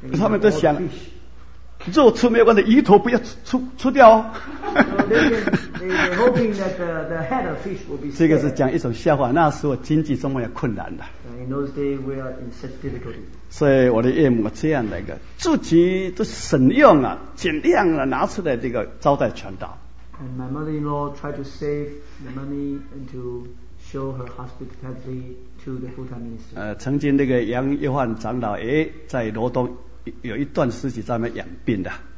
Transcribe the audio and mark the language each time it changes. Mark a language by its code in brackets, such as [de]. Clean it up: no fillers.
[zh] 他们都想，肉吃没关系，鱼头不要出掉哦。 [en] They were hoping that the head of fish will be. [zh] 这个是讲一种笑话。那时候经济这么有困难的。 [en] In those days we are in such difficulty. [zh] 所以我的岳母这样的一个，自己都省用啊，尽量啊拿出来这个招待传道。 [en] And my mother-in-law tried to save the money and to show her hospitality. [zh] 曾经那个杨约翰长老也在罗东有一段时期在那边养病的。